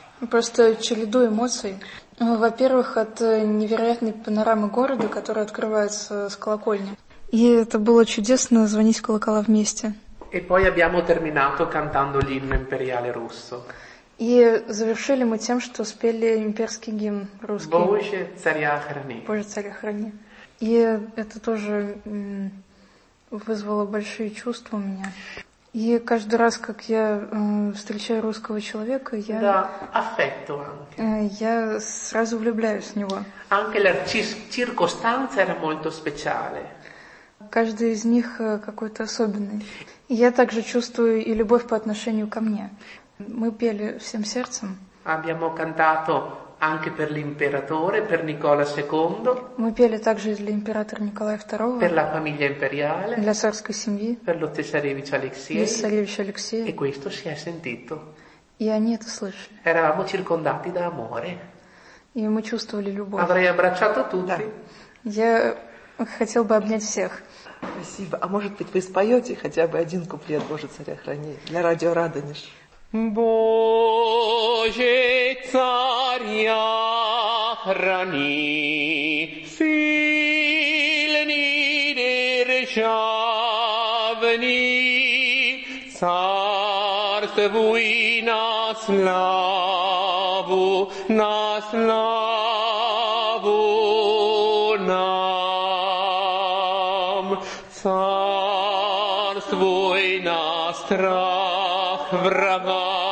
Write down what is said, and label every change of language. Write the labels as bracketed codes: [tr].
[ru] Просто череду эмоций. Во-первых, от невероятной панорамы города, которая открывается с колокольни. И это было чудесно звонить в колокола вместе. [it] E poi abbiamo terminato cantando l'inno imperiale russo. [ru] И завершили мы тем, что спели имперский гимн русский. Боже, царя храни. Боже, царя храни. И это тоже вызвало большие чувства у меня. И каждый раз, как я встречаю русского человека, я сразу влюбляюсь в него. [it] Anche la circostanza era molto speciale. [ru] Каждый из них какой-то особенный. И я также чувствую и любовь по отношению ко мне. Мы пели всем сердцем. [it] Abbiamo cantato anche per l'imperatore, per Nicola II. [ru] Мы пели также для императора Николая II. [it] Per la famiglia imperiale. [ru] Для царской семьи. [it] Per lo Цесаревич Алексей. [ru] Для Цесаревича Алексея. [it] E questo si è sentito. [ru] И они это слышали. [it] Eravamo circondati da amore. [ru] И мы чувствовали любовь. [it] Avrei abbracciato tutti. [ru] Да. Я хотел бы обнять всех. Спасибо. А может быть вы споете хотя бы один куплет «Боже, царя храни» для радио Радонеж? Боже, царя храни, сильні державні, царствуй на славу нам, царствуй на страх врага.